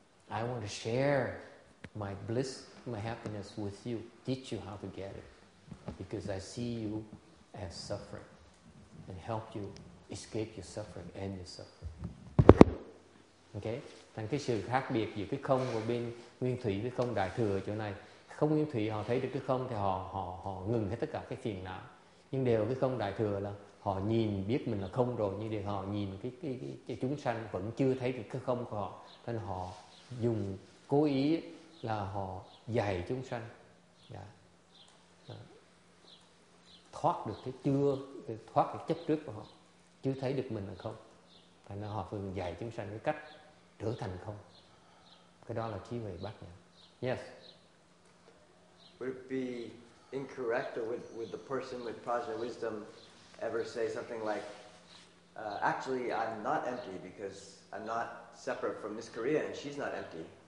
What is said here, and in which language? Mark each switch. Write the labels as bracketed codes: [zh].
[en] I want to share my bliss, my happiness with you, teach you how to get it, because I see you as suffering and help you escape your suffering, end your suffering. Okay? [vi] Thành cái sự khác biệt giữa cái không của bên nguyên thủy với không đại thừa ở chỗ này. Không nguyên thủy họ thấy được cái không thì họ ngừng hết tất cả cái phiền não. Nhưng đều cái không đại thừa là họ nhìn biết mình là không rồi, nhưng họ nhìn cái chúng sanh vẫn chưa thấy được cái không của họ. Nên họ dùng cố ý là họ dạy chúng sanh. Thoát được cái chưa, thoát cái chấp trước của họ. Chưa thấy được mình là không. Tại nên họ thường dạy chúng sanh cái cách trở thành không. Cái đó là trí huệ bát nhã. Yes. [en] Would it be incorrect, or would the person with Prajna wisdom ever say something like, actually, I'm not empty because I'm not separate from Miss Korea and she's not empty?